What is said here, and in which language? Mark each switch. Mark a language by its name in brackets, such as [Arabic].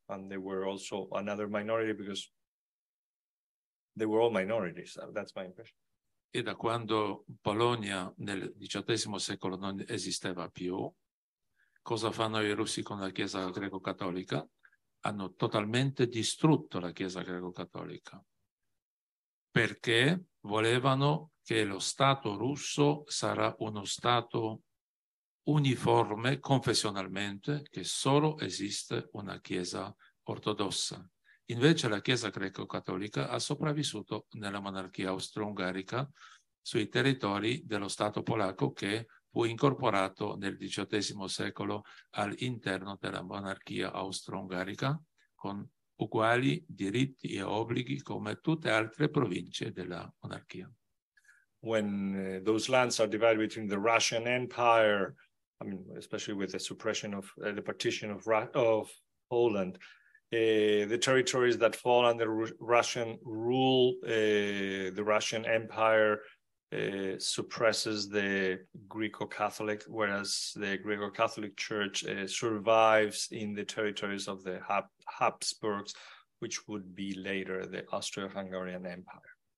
[English] And they were also another minority because they were all minorities. That's my impression. [Italian] E da quando Polonia nel XVIII secolo non esisteva più, cosa fanno i russi con la Chiesa greco-cattolica? Hanno totalmente distrutto la Chiesa greco-cattolica perché volevano che lo Stato russo sarà uno Stato uniforme confessionalmente, che solo esiste una Chiesa ortodossa. Invece la Chiesa greco-cattolica ha sopravvissuto nella monarchia austro-ungarica sui territori dello Stato polacco che fu incorporato nel XVIII secolo all'interno della monarchia austro-ungarica con uguali diritti e obblighi come tutte altre province della monarchia. [English] When those lands are divided between the Russian Empire, I mean, especially with the suppression of the partition of Poland, the territories that fall under Russian rule, the Russian Empire suppresses the Greco-Catholic, whereas the Greco-Catholic Church survives in the territories of the Habsburgs, which would be later the Austro-Hungarian Empire.